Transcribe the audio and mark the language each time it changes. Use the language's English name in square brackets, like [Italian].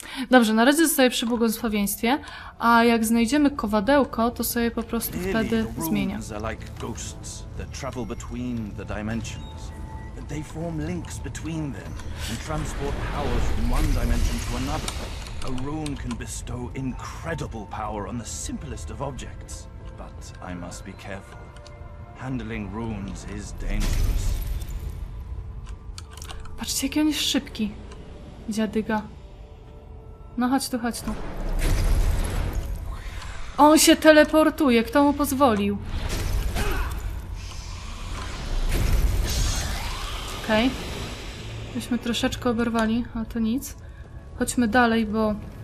[Polish] Dobrze, na razie zostaję przy błogosławieństwie, a jak znajdziemy kowadełko, to sobie po prostu wtedy zmienię. Rune są jak ghosts, które przechodzą między dimensjami. Ale formują linki między nimi i transportują power z jednej dimensji do drugiej. [English] A rune can bestow incredible power on the simplest of objects, but I must be careful. Handling runes is dangerous. [Polish] Patrzcie, jaki on jest szybki, dziadyga. No chodź tu, chodź tu. On się teleportuje, kto mu pozwolił? Okej. Okay. Myśmy troszeczkę oberwali, ale to nic. Chodźmy dalej, bo...